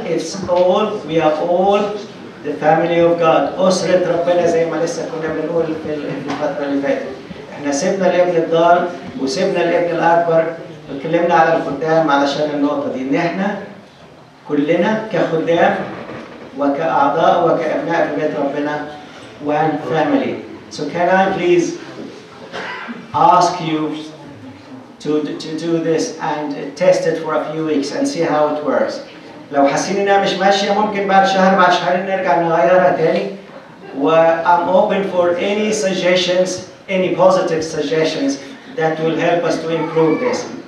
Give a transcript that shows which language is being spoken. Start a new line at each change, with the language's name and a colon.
English: It's all, we are all the family of God.
Arabic: أسرة ربنا زي ما لسه كنا بنقول في الفترة اللي فاتت. احنا سيبنا الابن الضال وسيبنا الابن الاكبر وكلمنا على الخدام علشان النقطة دي، ان احنا كلنا كخدام وكأعضاء وكأبناء في بيت ربنا وان family.
English: So can I please ask you to do this and test it for a few weeks and see how it works.
Arabic: لو حاسين انها مش ماشية ممكن بعد شهر بعد شهرين نرجع نغيرها تاني.
English: و I'm open for any suggestions, any positive suggestions that will help us to improve this.